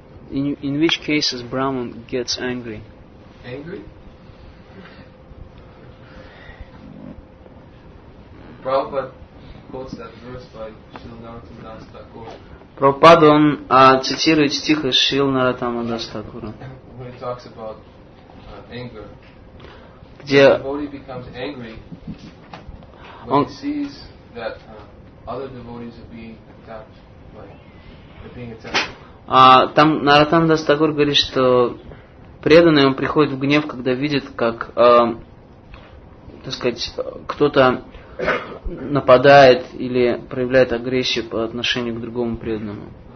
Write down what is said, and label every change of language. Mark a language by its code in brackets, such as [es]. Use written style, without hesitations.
[en] In which cases Brahman gets angry? Angry? Prabhupada quotes that verse by Srila Narottama Das Thakur. [ru] Prabhupada, он цитирует стих из Шрилы Наротама Дас Такура. [en] When he talks about anger. [ru] Где [en] devotee becomes angry when he sees that other devotees are being attacked. [ru] Там Наротама Дас Такур говорит, что преданный, он приходит в гнев, когда видит, как, кто-то нападает или проявляет агрессию по отношению к другому преданному.